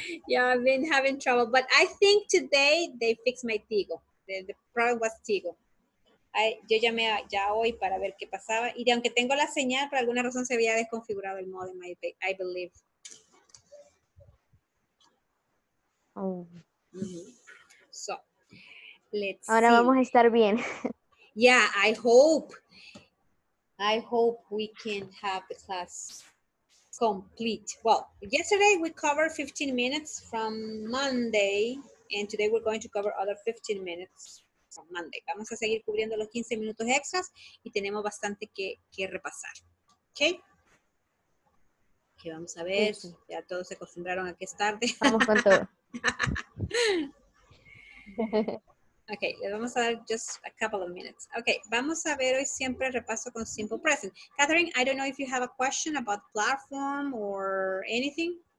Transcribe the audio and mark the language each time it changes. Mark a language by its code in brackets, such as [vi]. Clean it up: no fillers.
[en] Yeah, I've been having trouble, but I think today they fixed my Tigo. The problem was Tigo. [es] Yo llamé ya hoy para ver qué pasaba. Y aunque tengo la señal, por alguna razón se había desconfigurado el modem, [en] I believe. Oh. Mm-hmm. So, let's [es] ahora [en] see. [es] Vamos a estar bien. [en] Yeah, I hope we can have the class complete. Well, yesterday we covered 15 minutes from Monday, and today we're going to cover other 15 minutes from Monday. [es] Vamos a seguir cubriendo los 15 minutos extras y tenemos bastante que repasar. Okay. Que vamos a ver. Sí. Ya todos se acostumbraron a que es tarde. Vamos con todo. [en] Okay, [es] le vamos a dar [en] just a couple of minutes. [es] Okay, vamos a ver hoy siempre repaso con simple present. [en] Catherine, I don't know if you have a question about platform or anything.